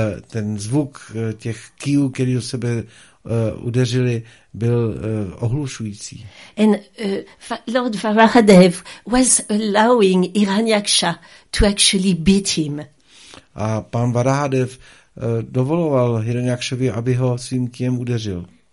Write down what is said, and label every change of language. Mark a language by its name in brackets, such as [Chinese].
[Czech] Ten zvuk těch kijů, který do sebe udeřili, byl ohlušující. [English] And Lord Varahadev was allowing Hiranyaksha to actually beat him. [Czech] A pan Varahadev dovoloval Hiranyakšovi, aby ho svým kijem udeřil.